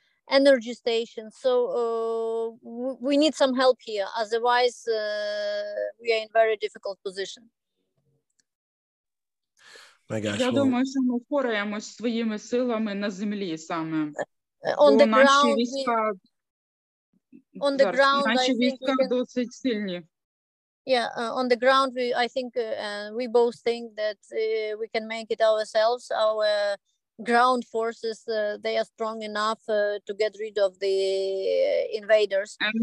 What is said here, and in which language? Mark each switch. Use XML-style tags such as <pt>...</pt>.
<en>energy station. So we need some help here. Otherwise, we are in very difficult position. My gosh.</en> <uk>Я думаю, що ми впораємось своїми силами на землі саме.</uk> <en>On the ground. On the ground,</en> <uk>наші війська досить сильні.</uk> <en>Yeah, on the ground, we both think that we can make it ourselves. Our ground forces, they are strong enough to get rid of the invaders.</en>